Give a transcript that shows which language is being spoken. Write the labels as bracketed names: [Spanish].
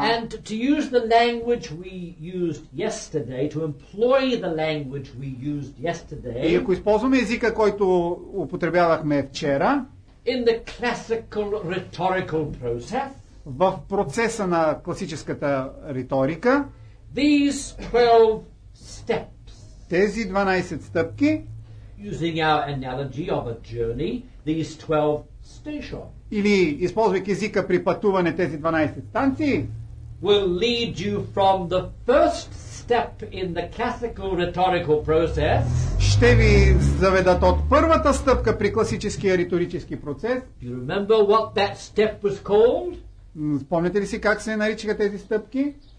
[English] And to use the language we used yesterday, to employ the language we used yesterday. [Bulgarian] И ако използваме езика, който употребявахме вчера, [English] in the classical rhetorical process, [Bulgarian] в процеса на класическата риторика, [English] these 12 steps. [Bulgarian] Тези 12 стъпки. [English] Using our analogy of a journey, these 12 stations. [Bulgarian] Или използвайки езика при пътуване, тези 12 станции. [English] Will lead you from the first step in the classical rhetorical process. [Bulgarian] Ще ви заведат от първата стъпка при класическия риторически процес. [English] Do you remember what that step was called? [Bulgarian] Спомняте ли си как се наричаха тези стъпки?